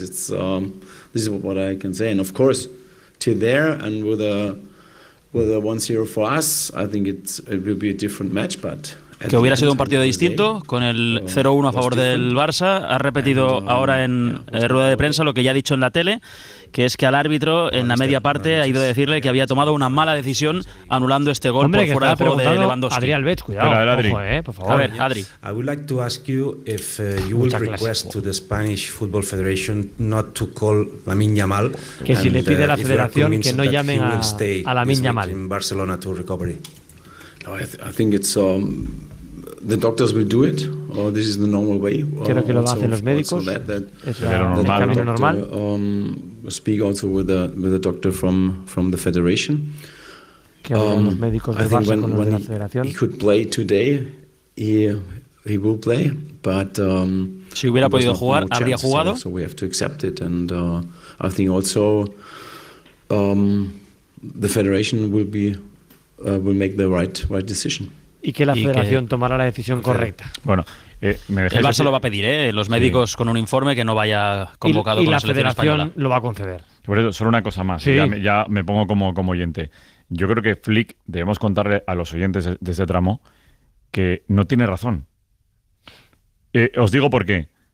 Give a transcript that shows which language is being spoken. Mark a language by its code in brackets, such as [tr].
[en] It's this is what I can say. And of course, to there and with a 1-0 for us, I think it will be a different match. But [es] que hubiera sido un partido distinto, con el 0-1 a favor del Barça. Ha repetido ahora en rueda de prensa lo que ya ha dicho en la tele, que es que al árbitro, en la media parte, ha ido a decirle que había tomado una mala decisión anulando este gol. Hombre, por fuera de juego de Lewandowski. Adri Albert, cuidado. Pero a ver, Adri. Ojo, por favor. A ver, Adri. [en] I would like to ask you if you will request to the Spanish Football Federation not to call Lamine Yamal. [es] Que si le pide a la federación que no llamen a Lamine Yamal. [en] In Barcelona to recovery. I think it's the doctors will do it, or this is the normal way. [es] Creo que lo hacen los médicos. Es lo normal. [en] Speak also with the doctor from the federation. [es] Que hablen los médicos de Barça con los de la federación. [en] He could play today. He will play, but [es] si hubiera podido jugar, habría jugado. [en] So we have to accept it, and I think also the federation will be. Will make the right decision. [es] Y que la federación tomará la decisión correcta. Bueno, el Barça lo va a pedir, los médicos con un informe que no vaya convocado y con la federación española. Lo va a conceder. Por eso, solo una cosa más, sí. ya me pongo como oyente. Yo creo que Flick, debemos contarle a los oyentes de este tramo, que no tiene razón. Os digo por qué.